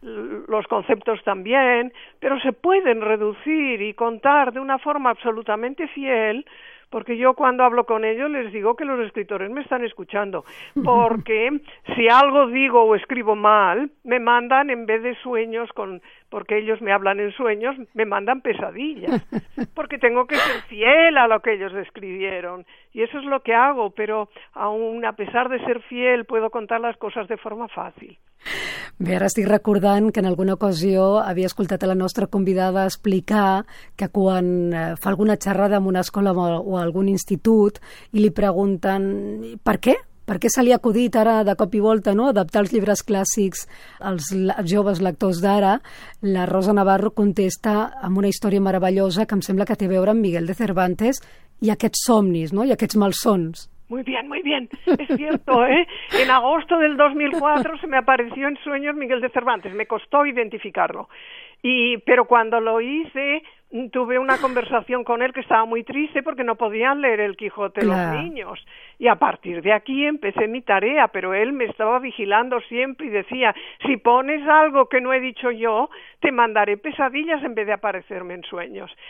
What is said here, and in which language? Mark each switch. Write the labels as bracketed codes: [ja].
[es] Los conceptos también, pero se pueden reducir y contar de una forma absolutamente fiel, porque yo cuando hablo con ellos les digo que los escritores me están escuchando, porque si algo digo o escribo mal, me mandan, en vez de sueños, porque ellos me hablan en sueños, me mandan pesadillas, porque tengo que ser fiel a lo que ellos escribieron, y eso es lo que hago, pero aún a pesar de ser fiel, puedo contar las cosas de forma fácil. [ca] Bé, ara estic recordant que en alguna ocasió havia escoltat a la nostra convidada explicar que quan fa alguna xerrada en una escola o algun institut i li pregunten per què? Per què se li ha acudit ara de cop i volta, no?, adaptar els llibres clàssics als joves lectors d'ara, la Rosa Navarro contesta amb una història meravellosa que em sembla que té a veure amb Miguel de Cervantes i aquests somnis, no?, i aquests malsons. [es] muy bien, es cierto, ¿eh? En agosto del 2004 se me apareció en sueños Miguel de Cervantes, me costó identificarlo. Pero cuando lo hice, tuve una conversación con él que estaba muy triste porque no podían leer El Quijote los niños. Y a partir de aquí empecé mi tarea, pero él me estaba vigilando siempre y decía, si pones algo que no he dicho yo, te mandaré pesadillas en vez de aparecerme en sueños.